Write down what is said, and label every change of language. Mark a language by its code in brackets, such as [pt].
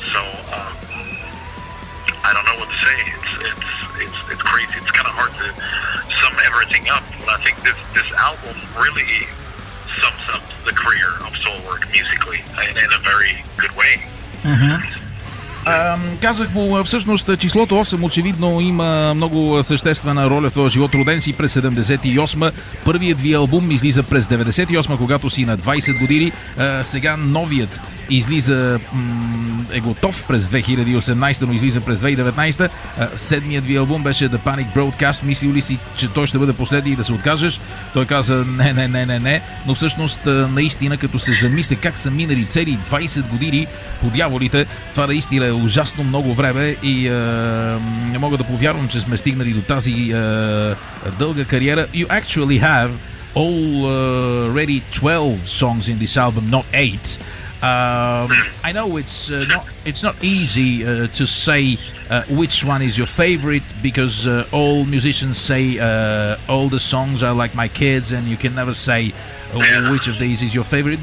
[en] So I don't know what to say. It's crazy. It's kind of hard to sum everything up, but I think this album really sums up the career of Soilwork musically in a very good way. Mm-hmm. [bg] Казах му всъщност числото 8 очевидно има много съществена роля в твоя живот. Роден си през 78-ма, първият ви албум излиза през 98-ма, когато си на 20 години, сега новият излиза, е готов през 2018-та, но излиза през 2019-та, седмият ви албум беше The Panic Broadcast, мислил ли си, че той ще бъде последния и да се откажеш? Той каза не, но всъщност наистина като се замисля как са минали цели 20 години по дяволите, това наистина е ужасно много време и не мога да повярвам, че сме стигнали до тази дълга кариера. [en] You actually have already 12 songs in this album, not 8. I know it's not easy to say which one is your favorite, because all musicians say all the songs are like my kids, and you can never say which of these is your favorite.